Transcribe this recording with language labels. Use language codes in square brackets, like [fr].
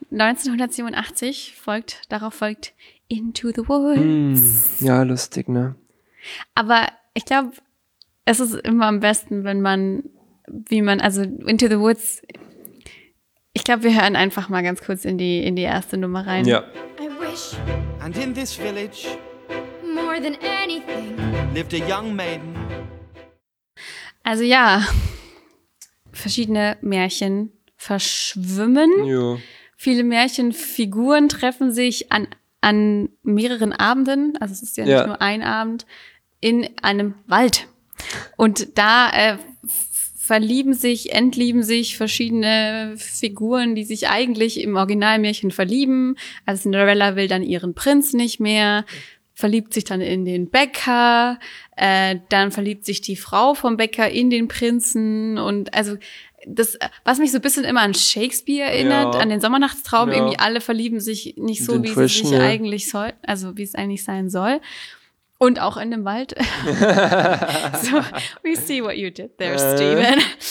[de] 1987 folgt Into the Woods. Mm, ja, lustig, ne? Aber ich glaube, es ist immer am besten, wenn man, Into the Woods, ich glaube, wir hören einfach mal ganz kurz in die erste Nummer rein. Ja. [en] I wish, and in this village, more than anything, lived a young maiden. [de] Also ja, verschiedene Märchen verschwimmen. Ja. Viele Märchenfiguren treffen sich an mehreren Abenden, also es ist ja nicht nur ein Abend, in einem Wald. Und da entlieben sich verschiedene Figuren, die sich eigentlich im Originalmärchen verlieben. Also Cinderella will dann ihren Prinz nicht mehr, verliebt sich dann in den Bäcker, dann verliebt sich die Frau vom Bäcker in den Prinzen und also das, was mich so ein bisschen immer an Shakespeare erinnert, an den Sommernachtstraum, irgendwie alle verlieben sich nicht so, wie es sich eigentlich soll, also wie es eigentlich sein soll. Und auch in dem Wald. [en] So, we see what you did there, Steven.